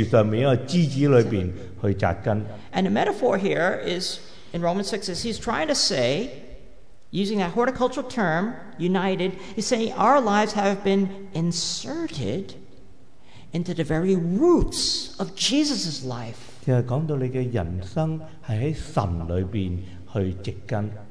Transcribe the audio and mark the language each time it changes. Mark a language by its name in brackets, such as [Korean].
[Chinese] 就是讲到话你的根是深入在泥土里边去扎根，不是一个树上面一个枝子里边去扎根。 [English] And the metaphor here is, in Romans 6, is he's trying to say, using that horticultural term, united, he's saying our lives have been inserted into the very roots of Jesus' life. [Chinese] 就是讲到你的人生是在神里边去植根。